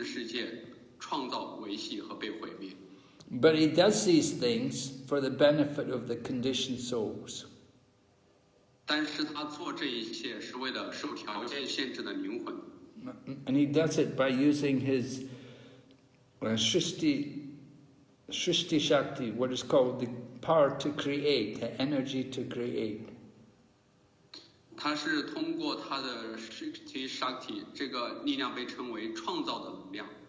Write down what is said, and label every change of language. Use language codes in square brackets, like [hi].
[zh] 在这个祷文中我们可以看到主瓦拉哈他其实并不希望这个物质世界创造维系和被毁灭。 [en] But he does these things for the benefit of the conditioned souls. [zh] 但是他做这一切是为了受条件限制的灵魂。 [en] And he does it by using his Srishti Shakti, what is called the power to create, the energy to create. [zh] 他是通过他的 Shakti, 这个力量被称为创造的能量。